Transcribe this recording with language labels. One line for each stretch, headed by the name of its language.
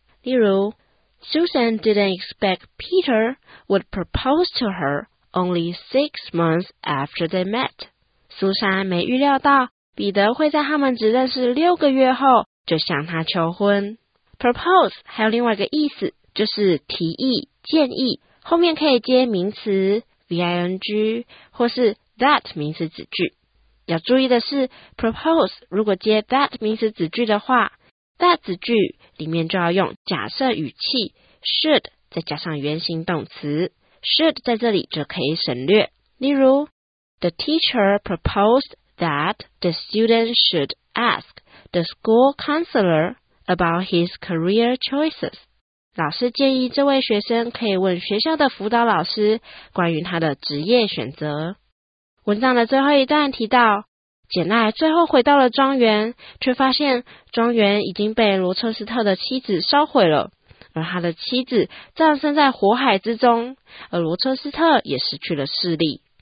Chinese: 例如，
English: Susan didn't expect Peter would propose to her only 6 months after they met。
Chinese: 苏珊没预料到彼得会在他们只认识6个月后就向他求婚。 Propose 还有另外一个意思，就是提议、建议，后面可以接名词 ving 或是 that 名词子句。要注意的是， propose 如果接 that 名词子句的话， that 子句里面就要用假设语气 should 再加上原形动词， should 在这里就可以省略。例如，
English: The teacher proposed that the student should ask the school counselor about his career choices。
Chinese: 老师建议这位学生可以问学校的辅导老师关于他的职业选择。文章的最后一段提到，简爱最后回到了庄园，却发现庄园已经被罗彻斯特的妻子烧毁了，而他的妻子葬身在火海之中，而罗彻斯特也失去了视力。